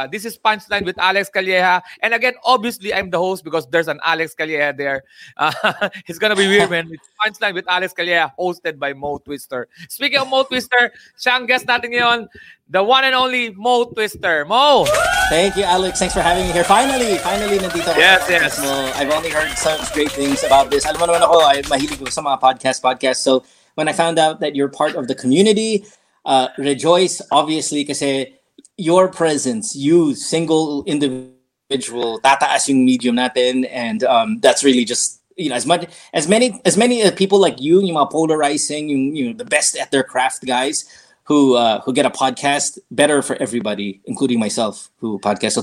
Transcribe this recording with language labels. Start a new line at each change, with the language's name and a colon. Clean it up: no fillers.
English: This is Punchline with Alex Calleja. And again, obviously, I'm the host because there's an Alex Calleja there. It's gonna be weird, man. It's Punchline with Alex Calleja, hosted by Mo Twister. Speaking of Mo Twister,
Filipino: siyang guest natin ngayon,
English: the one and only Mo Twister. Mo! Thank you, Alex. Thanks for having me here. Finally,
Filipino: nandito.
English: Yes. Mo. I've only heard such great things about this.
Filipino: Alam mo naman ako, I mahilig sa mga podcast.
English: So, when I found out that you're part of the community, rejoice, obviously, kasi your presence, you, single individual,
Filipino: tataas yung medium natin,
English: and that's really just, you know, as many people like you, yung mga polarizing, yung the best at their craft guys, who get a podcast better for everybody, including myself, who podcast.